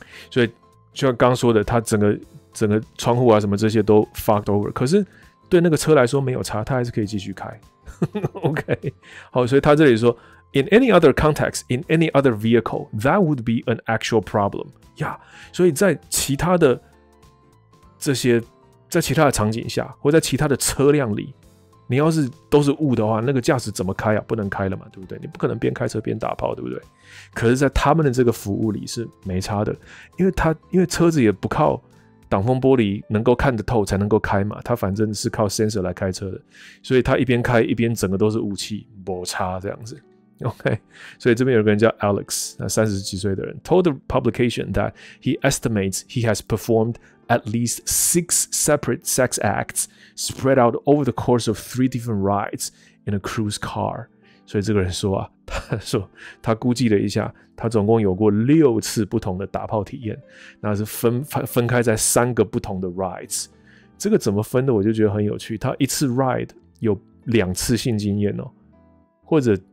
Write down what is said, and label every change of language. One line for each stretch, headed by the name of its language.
Chinese: 所以就像刚说的，他整个窗户啊什么这些都
English: fogged over，
Chinese: 可是对那个车来说没有差，他还是可以继续开。 OK， 好，所以他这里说。
English: In any other context, in any other vehicle, that would be an actual problem.
Chinese: Yeah, 所以在其他的这些，在其他的场景下，或在其他的车辆里，你要是都是雾的话，那个驾驶怎么开啊？不能开了嘛，对不对？你不可能边开车边打炮，对不对？可是，在他们的这个服务里是没差的，因为车子也不靠挡风玻璃能够看得透才能够开嘛，他反正是靠 sensor 来开车的，所以他一边开一边整个都是雾气，没差这样子。
English: OK，
Chinese: 所以这边有个人叫 Alex， 那三十几岁的人
English: told the publication that he estimates he has performed at least 6 separate sex acts spread out over the course of 3 different rides in a cruise car。
Chinese: 所以这个人说啊，他估计了一下，他总共有过六次不同的打炮体验，那是 分开在三个不同的 rides。这个怎么分的我就觉得很有趣，他一次 ride 有两次性经验哦，或者